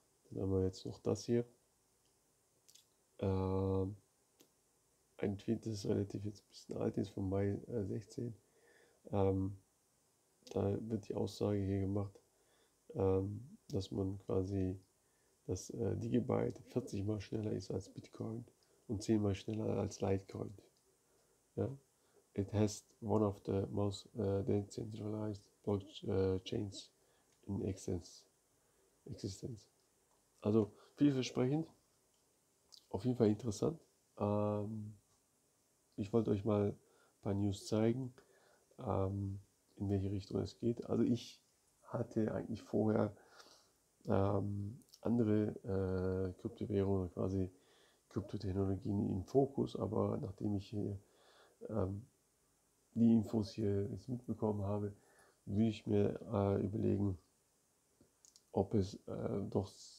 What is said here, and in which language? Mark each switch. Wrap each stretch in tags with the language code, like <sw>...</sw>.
<de>Dann haben wir jetzt noch das hier. Ein Tweet, das ist relativ jetzt ein bisschen alt, ist vom Mai 16. Da wird die Aussage hier gemacht, dass man quasi, dass Digibyte 40 mal schneller ist als Bitcoin und 10 mal schneller als Litecoin. Ja?</de> <en>It has one of the most decentralized blockchains in existence.</en> <de>Also vielversprechend, auf jeden Fall interessant. Ich wollte euch mal ein paar News zeigen, in welche Richtung es geht. Also ich hatte eigentlich vorher andere Kryptowährungen, quasi Kryptotechnologien im Fokus, aber nachdem ich hier die Infos hier jetzt mitbekommen habe, würde ich mir überlegen, ob es doch</de>